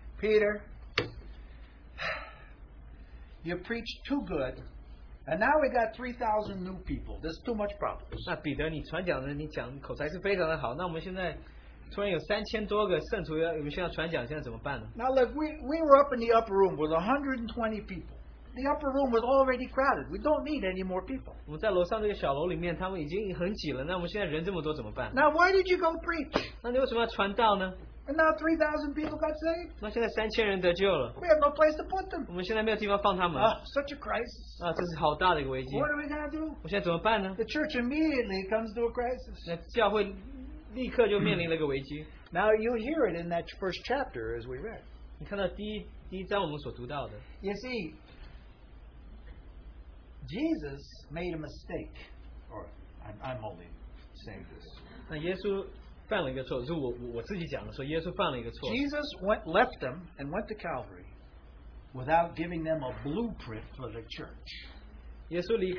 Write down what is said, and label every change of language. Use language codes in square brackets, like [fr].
[en] Peter, you preached too good, and now we got 3,000 new people. This is too much problems. [zh] 那彼得，你传讲的，你讲口才是非常的好。那我们现在突然有3,000多个圣徒要，我们现在传讲，现在怎么办呢？ [en] Now look, we were up in the upper room with 120 people. the upper room was already crowded. We don't need any more people. [zh] 我们在楼上这个小楼里面, 他们已经很挤了, 那我们现在人这么多怎么办? [en] Now why did you go preach? [zh] 那你为什么要传道呢? [en] And now 3,000 people got saved? [zh] 那现在3,000人得救了。 [en] We have no place to put them. [zh] 我们现在没有地方放他们。 [en] Such a crisis. [zh] 这是好大的一个危机。 [en] What are we going to do? [zh] 我现在怎么办呢? [en] The church immediately comes to a crisis. [zh] 那教会立刻就面临了一个危机。 [en] Now you hear it in that first chapter as we read. [zh] 你看到第一章我们所读到的。 [en] You see, Jesus made a mistake. Or I'm only saying this. [zh] 那耶稣犯了一个错，是我自己讲的，说耶稣犯了一个错。 [en] Jesus left them and went to Calvary without giving them a blueprint for the church.